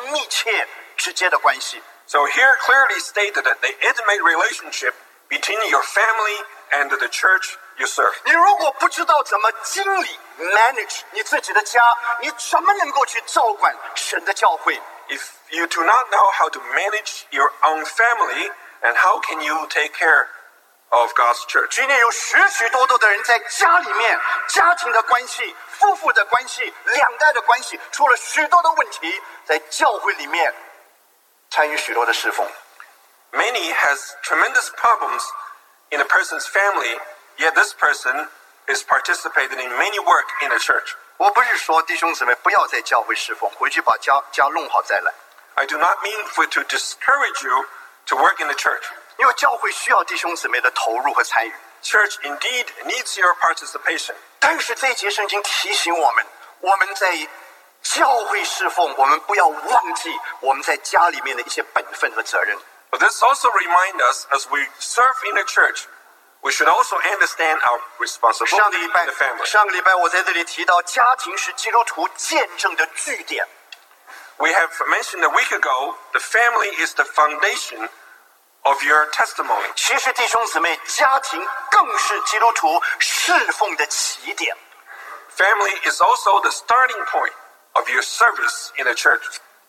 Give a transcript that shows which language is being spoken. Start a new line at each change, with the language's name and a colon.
English: So here clearly stated that the intimate relationship between your family and the church you serve.
Chinese: 你如果不知道怎么经理, manage 你自己的家, 你怎么能够去照管神的教会?
English: If you do not know how to manage your own family, then how can you take care of God's church?
Chinese: 今天有许许多多的人在家里面, 家庭的关系, 夫妇的关系, 两代的关系, 出了许多的问题, 在教会里面, 参与许多的侍奉。
English: Many has tremendous problems in a person's family, yet this person is participating in many work in the church.
Chinese: 我不是说弟兄姊妹不要在教会侍奉, 回去把家弄好再来。
English: I do not mean for to discourage you to work in the church.
Chinese: 因为教会需要弟兄姊妹的投入和参与。
English: Church indeed needs your participation.
Chinese: 但是这节圣经提醒我们, 我们在教会侍奉, 我们不要忘记我们在家里面的一些本分和责任。
English: But this also reminds us, as we serve in the church, we should also understand our responsibility in the family.
Chinese: 上个礼拜我在这里提到, 家庭是基督徒见证的据点。
English: We have mentioned a week ago, the family is the foundation of your testimony.
Chinese: 其实弟兄姊妹, 家庭更是基督徒侍奉的起点。
English: Family is also the starting point of your service in the church.